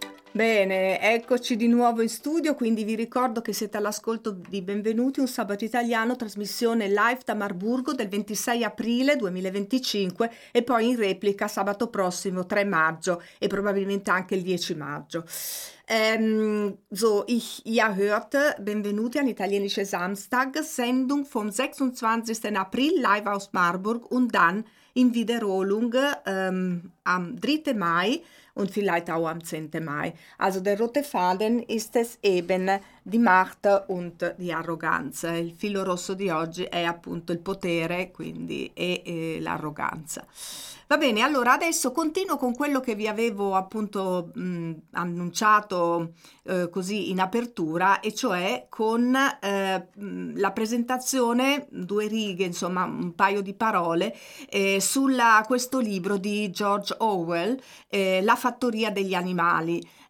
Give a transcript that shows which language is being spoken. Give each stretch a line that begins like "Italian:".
Italian: Eccoci di nuovo in studio, quindi vi ricordo che siete all'ascolto di Benvenuti un sabato italiano, trasmissione live da Marburgo del 26 aprile 2025 e poi in replica sabato prossimo 3 maggio e probabilmente anche il 10 maggio.
German: Ihr hört Benvenuti an italienische Samstag, Sendung vom 26. April live aus Marburg und dann in Wiederholung am 3. Mai. Und vielleicht auch am 10. Mai. Also der rote Faden ist es eben die Macht und die Arroganz.
Italian: Il filo rosso di oggi è appunto il potere, quindi e l'arroganza. Va bene, allora adesso continuo con quello che vi avevo appunto annunciato così in apertura, e cioè con la presentazione, due righe, insomma un paio di parole, sulla questo libro di George Orwell, La fattoria degli animali.